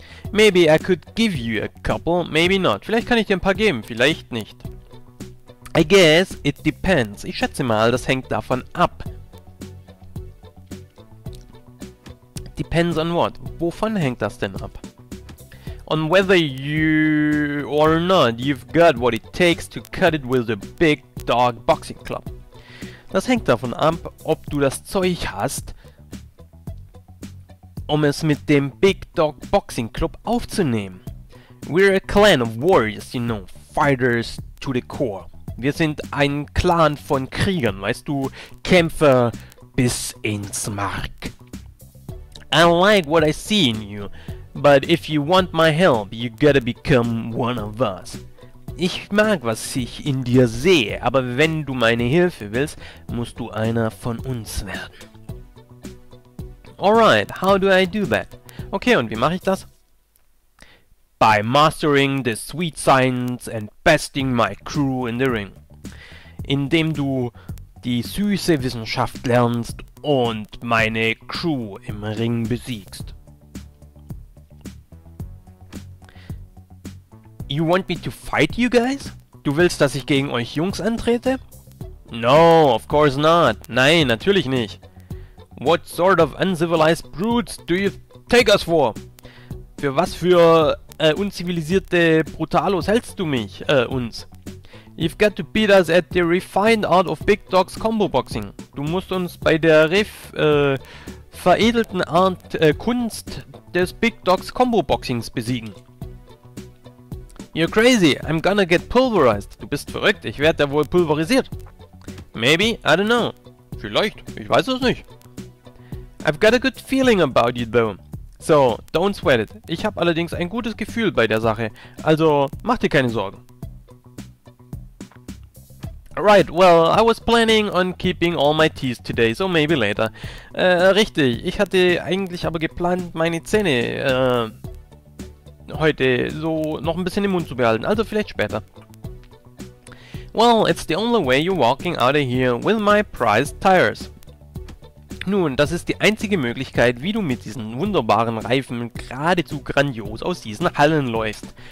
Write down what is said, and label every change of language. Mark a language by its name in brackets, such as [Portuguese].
[English] Maybe I could give you a couple, maybe not. [German] Vielleicht kann ich dir ein paar geben, vielleicht nicht. [English] I guess it depends. [German] Ich schätze mal, das hängt davon ab. [English] Depends on what? [German] Wovon hängt das denn ab? [English] On whether you or not you've got what it takes to cut it with the Big Dog Boxing Club. [German] Das hängt davon ab, ob du das Zeug hast, um es mit dem Big Dog Boxing Club aufzunehmen. [English] We're a clan of warriors, you know, fighters to the core. [German] Wir sind ein Clan von Kriegern, weißt du, Kämpfer bis ins Mark. [English] I like what I see in you, but if you want my help, you gotta become one of us. [German] Ich mag, was ich in dir sehe, aber wenn du meine Hilfe willst, musst du einer von uns werden. [English] Alright, how do I do that? [German] Okay, und wie mache ich das? [English] By mastering the sweet science and besting my crew in the ring. [German] Indem du die süße Wissenschaft lernst und meine Crew im Ring besiegst. [English] You want me to fight you guys? [German] Du willst, dass ich gegen euch Jungs antrete? [English] No, of course not. [German] Nein, natürlich nicht. [English] What sort of uncivilized brutes do you take us for? [German] Für was für unzivilisierte Brutalos hältst du mich, uns? [English] You've got to beat us at the refined art of Big Dogs Combo Boxing. [German] Du musst uns bei der veredelten Art Kunst des Big Dogs Combo Boxings besiegen. [English] You're crazy, I'm gonna get pulverized. [German] Du bist verrückt, ich werde da wohl pulverisiert. [English] Maybe, I don't know. [German] Vielleicht, ich weiß es nicht. [English] I've got a good feeling about you though. So, don't sweat it. [German] Ich habe allerdings ein gutes Gefühl bei der Sache. Also, mach dir keine Sorgen. [English] Right, well, I was planning on keeping all my teeth today, so maybe later. [German] Richtig, ich hatte eigentlich aber geplant, meine Zähne, heute so noch ein bisschen im Mund zu behalten. Also, vielleicht später. [English] Well, it's the only way you're walking out of here with my prized tires. [German] Nun, das ist die einzige Möglichkeit, wie du mit diesen wunderbaren Reifen geradezu grandios aus diesen Hallen läufst.